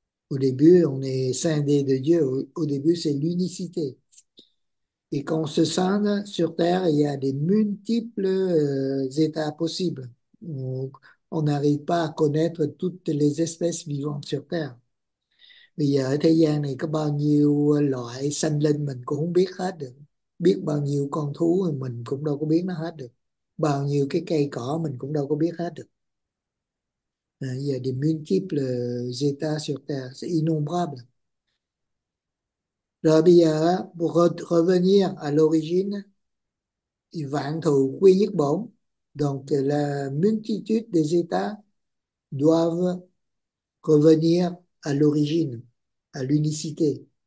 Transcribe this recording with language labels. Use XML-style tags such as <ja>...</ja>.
<fr>Au début, on est scindé de Dieu. Au début, c'est l'unicité. Et quand on se scinde sur Terre, il y a des multiples états possibles. Donc, on n'arrive pas à connaître toutes les espèces vivantes sur Terre.</fr> <vi>Bây giờ ở thế gian này có bao nhiêu loại sanh linh mình cũng không biết hết được. Biết bao nhiêu con thú mình cũng đâu có biết nó hết được. Bao nhiêu cái cây cỏ mình cũng đâu có biết hết được.</vi> <fr>Il y a des multiples états sur Terre, c'est innombrable.</fr> <vi>Rồi bây giờ,</vi> <fr>pour revenir à l'origine,</fr> <vi>vạn thù quy nhất bổn.</vi> <fr>Donc la multitude des états doivent revenir à l'origine, à l'unicité.</fr>